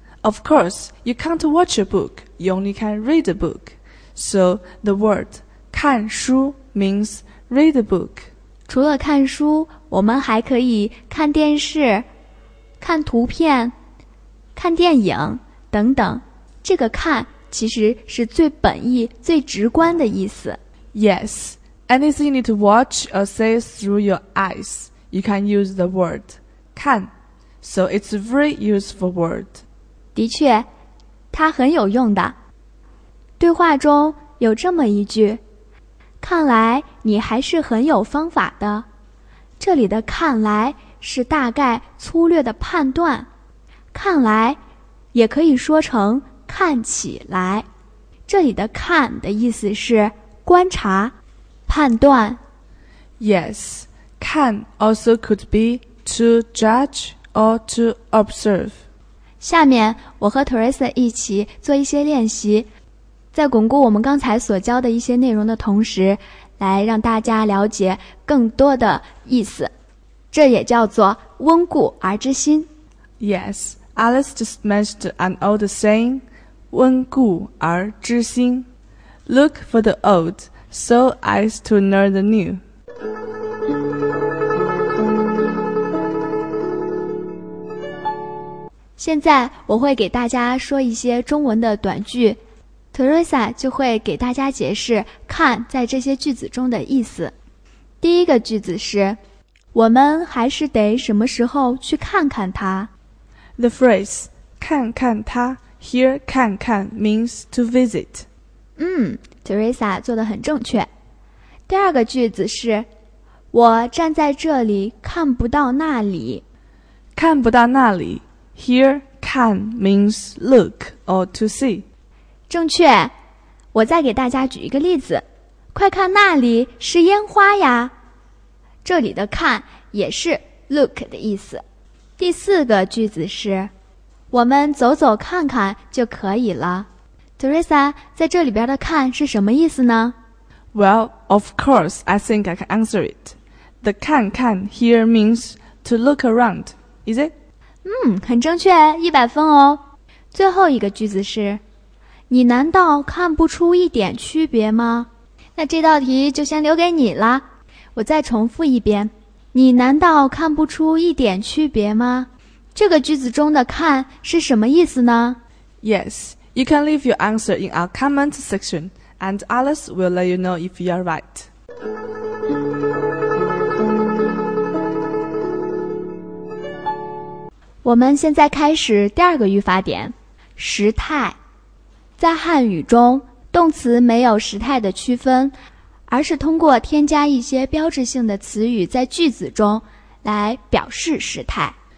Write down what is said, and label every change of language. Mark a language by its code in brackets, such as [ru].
[en] Of course, you can't watch a book, you only can read a book. So the word 看书 means read a book. [zh] 除了看书，我们还可以看电视、看图片、看电影等等。这个看其实是最本意、最直观的意思。 [en] Yes, anything you need to watch or say through your eyes. You can use the word 看, so it's a very useful word. [zh] 的确，它很有用的。对话中有这么一句，看来你还是很有方法的。这里的看来是大概粗略的判断，看来也可以说成看起来。这里的看的意思是观察、判断。 [en] Yes, 看 also could be to judge or to observe. [zh] 下面我和 Teresa 一起做一些练习，在巩固我们刚才所教的一些内容的同时，来让大家了解更多的意思。这也叫做温故而知新。 [en] Yes, Alice just mentioned an old saying, [zh] 温故而知新。 [en] Look for the old, so as to learn the new. [zh] 现在我会给大家说一些中文的短句，Teresa 就会给大家解释看在这些句子中的意思。第一个句子是，我们还是得什么时候去看看它。 [en] The phrase, [zh] 看看它 [en] here 看看 means to visit. [zh] Teresa 做得很正确。第二个句子是，我站在这里看不到那里。看不到那里 [en] here 看 means look or to see. [zh] 正确，我再给大家举一个例子，快看那里是烟花呀。这里的看也是 look 的意思。第四个句子是，我们走走看看就可以了。 Teresa, 在这里边的看是什么意思呢？ [en] Well, of course, I think I can answer it. The 看看 here means to look around, is it? [zh] 很正确，100分哦。最后一个句子是，你难道看不出一点区别吗？那这道题就先留给你了。我再重复一遍，你难道看不出一点区别吗？这个句子中的看是什么意思呢？ [en] Yes, you can leave your answer in our comment section, and Alice will let you know if you are right. [zh] 我们现在开始第二个语法点，时态。在汉语中，动词没有时态的区分，而是通过添加一些标志性的词语在句子中来表示时态。